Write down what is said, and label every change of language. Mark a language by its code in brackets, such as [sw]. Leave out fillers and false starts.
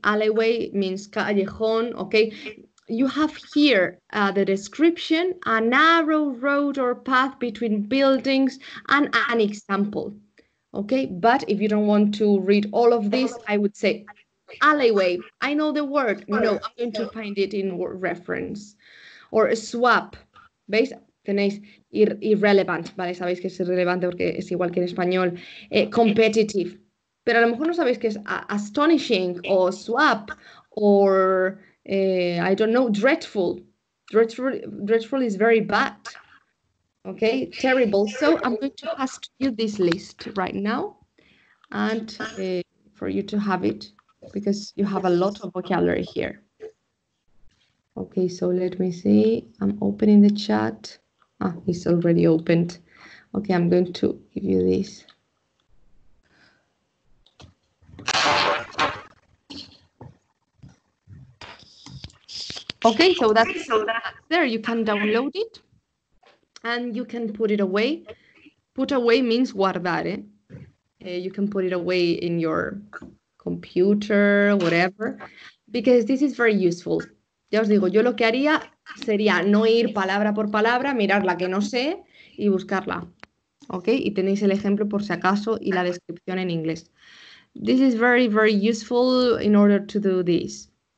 [en] Alleyway means callejón, okay. You have here the description, a narrow road or path between buildings, and an example, okay? But if you don't want to read all of this, I would say alleyway. I know the word. No, I'm going to find it in word reference. Or swap. [es] ¿Veis? Tenéis irrelevant, ¿vale? Sabéis que es irrelevante porque es igual que en español. Competitive. Pero a lo mejor no sabéis que es astonishing o swap or... [en] I don't know, dreadful. Dreadful is very bad. Okay, terrible. So I'm going to pass to you this list right now and for you to have it because you have a lot of vocabulary here. Okay, so let me see. I'm opening the chat. Ah, it's already opened. Okay, I'm going to give you this. Okay, so that's there. You can download it and you can put it away. Put away means guardar. You can put it away in your computer, whatever, because this is very useful. [es] Ya os digo, yo lo que haría sería no ir palabra por palabra, mirar la que no sé y buscarla. Okay, y tenéis el ejemplo por si acaso y la descripción en inglés. [en] This is very, very useful in order to do this.